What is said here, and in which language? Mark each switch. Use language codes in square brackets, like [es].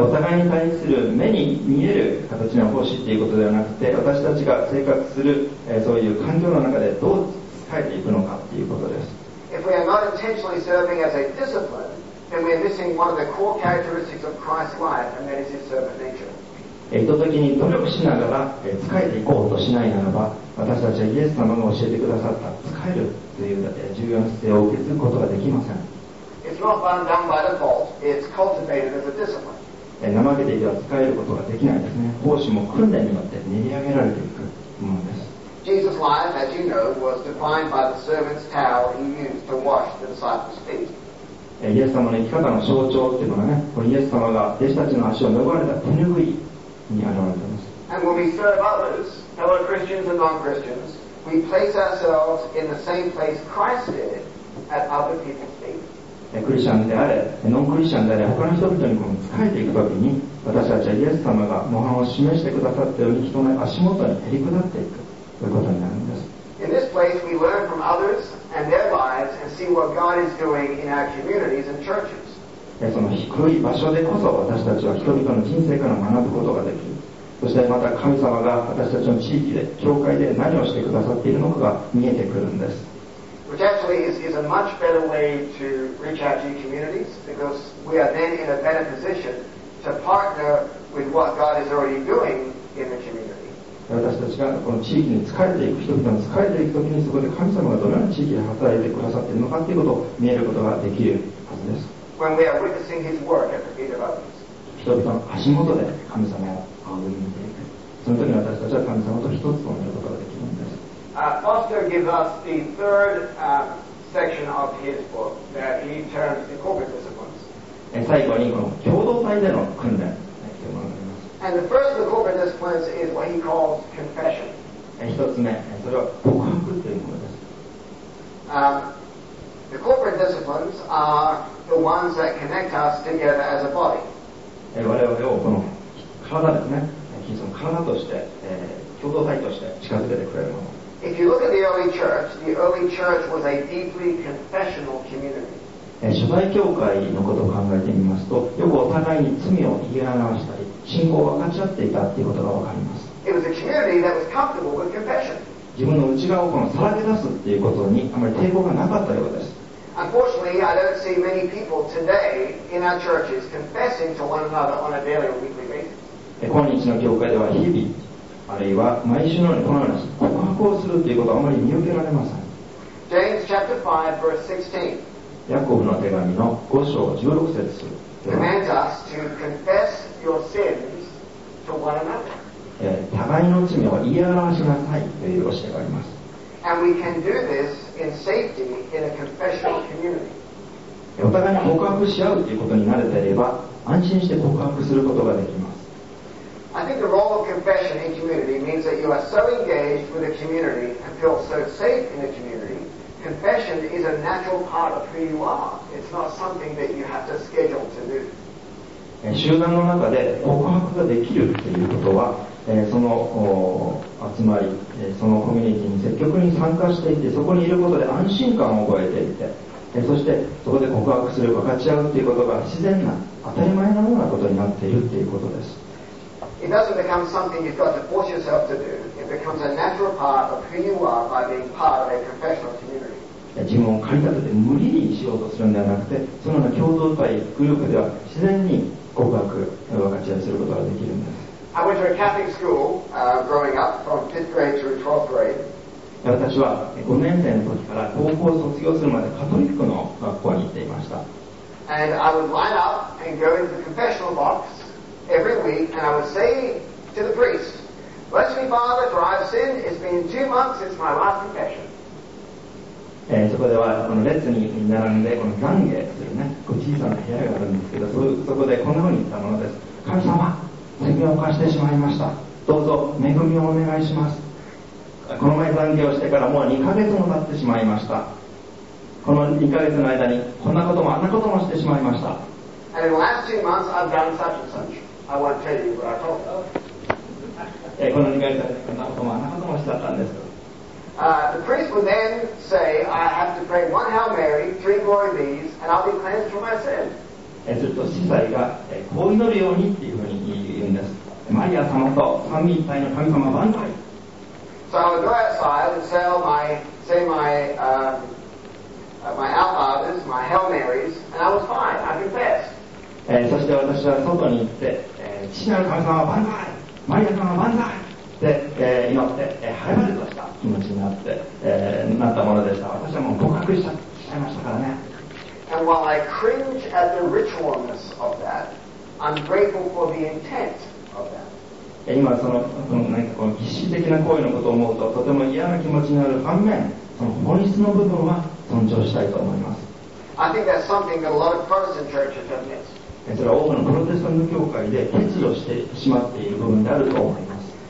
[ja] お互いに対する目に見える形の奉仕ということではなくて、私たちが生活する、そういう環境の中でどう使えていくのかということです。 [en] If we are not intentionally serving as a discipline, then we are missing one of the core characteristics of Christ's life, and that is his servant nature. [ja] 意図的に努力しながら仕えていこうとしないならば、私たちはイエス様が教えてくださった仕えるという重要な姿勢を受け継ぐことができません。 [en] It's not run down by default. It's cultivated as a discipline. [ja] 怠けていては仕えることができないですね。奉仕も訓練によって練り上げられていくものです。 [en] Jesus' life, as you know, was defined by the servant's towel he used to wash the disciples' feet. [ja] イエス様の生き方の象徴というのはね、このイエス様が弟子たちの足を拭われた手ぬぐいに現れています。 [en] And when we serve others, fellow Christians and non-Christians, we place ourselves in the same place Christ did at other people's feet. [ja] クリスチャンであれ、ノンクリスチャンであれ、他の人々にこの仕えていくときに、私たちはイエス様が模範を示してくださったように人の足元に減り下っていくということになるんです。 [en] In this place we learn from others and their lives and see what God is doing in our communities and churches. [ja] その低い場所でこそ私たちは人々の人生から学ぶことができる。そしてまた神様が私たちの地域で教会で何をしてくださっているのかが見えてくるんです。 [en] Which actually is a much better way to reach out to your communities because we are then in a better position to partner with what God is already doing in the community. [ja] 私たちがこの地域に仕えていく、人々に仕えていくときに、そこで神様がどのような地域で働いてくださっているのかということを見えることができるはずです。 [en] When we are witnessing His work at the feet of others. [ja] 人々の足元で神様を仰ぎ見ていく。その時に私たちは神様と一つとなることができるんです。 [en] Foster gives us the third section of his book that he terms the corporate disciplines. [ja] 最後にこの共同体での訓練というものがあります。 [en] And the first of the corporate disciplines is what he calls confession. [ja] 一つ目、それは告白というものです。 [en] The corporate disciplines are the ones that connect us together as a body. [ja] 我々をこの体ですね、キリストの体として、共同体として近づけてくれるもの。 [en] If you look at the early church was a deeply confessional community. [ja] 初代教会のことを考えてみますと、よくお互いに罪を言い表したり、信仰を分かち合っていたということがわかります。 [en] It was a community that was comfortable with confession. [ja] 自分の内側をこのさらけ出すっていうことにあまり抵抗がなかったようです。 [en] Unfortunately, I don't see many people today in our churches confessing to one another on a daily or weekly basis. [ja] 今日の教会では日々、あるいは毎週のようにこのような告白をするっていうことはあまり見受けられません。 [en] James chapter 5, verse 16. [ja] ヤコブの手紙の5章16節。 [en] commands us to confess your sins to one another. [ja] 互いの罪を言い表しなさいという教えがあります。 [en] And we can do this in safety in a confessional community. [ja] お互いに告白し合うということに慣れていれば安心して告白することができます。 [en] I think the role of confession in community means that you are so engaged with the community and feel so safe in the community. Confession is a natural part of who you are. It's not something that you have to schedule to do. [ja] 集団の中で告白ができるということはその集まり、そのコミュニティに積極に参加していて、そこにいることで安心感を覚えていて、そしてそこで告白する、分かち合うということが自然な、当たり前のようなことになっているということです。 [en] It doesn't become something you've got to force yourself to do. It becomes a natural part of who you are by being part of a professional community. [ja] 自分を駆り立てて無理にしようとするんではなくて、そのような共同体、グループでは自然に告白、分かち合いすることができるんです。 [en] I went to a Catholic school growing up from 5th grade through 12th grade. [ja] 私は5年生の時から高校を卒業するまでカトリックの学校に行っていました。 [en] And I would line up and go into the confessional box every week and I would say to the priest, Bless me Father for I've sinned, it's been 2 months since my last confession. [ja] そこではこの列に並んでこの懺悔するね、小さな部屋があるんですけど、 そこでこんなふうに言ったものです。神様、罪を犯してしまいました。どうぞ恵みをお願いします。この前懺悔をしてからもう2ヶ月も経ってしまいました。この2ヶ月の間にこんなこともあんなこともしてしまいました。この2ヶ月こんなこともあんなこともしてあったんです。 [en] The priest would then say I have to pray one Hail Mary, three Glory Bees and I'll be cleansed from my sin. [ja] すると司祭がこう祈るようにっていうふうに言うんです。マリア様と三位一体の神様万歳。 [en] So I would go outside and say my Our Fathers, my Hail Marys and I was fine, I confessed. [ja] そして私は外に行って父なる神様万歳、マリア様万歳で祈って晴れ晴れとした気持ちになって、なったものでした。私はもう告白しちゃいましたからね。 [en] And while I cringe at the ritualness of that, I'm grateful for the intent of that. [ja] 今その何かこの儀式的な行為のことを思うととても嫌な気持ちになる反面、その本質の部分は尊重したいと思います。 [en] I think that's something that a lot of Protestant churches have missed. [ja] それは多くのプロテスタント教会で欠如してしまっている部分であると思います。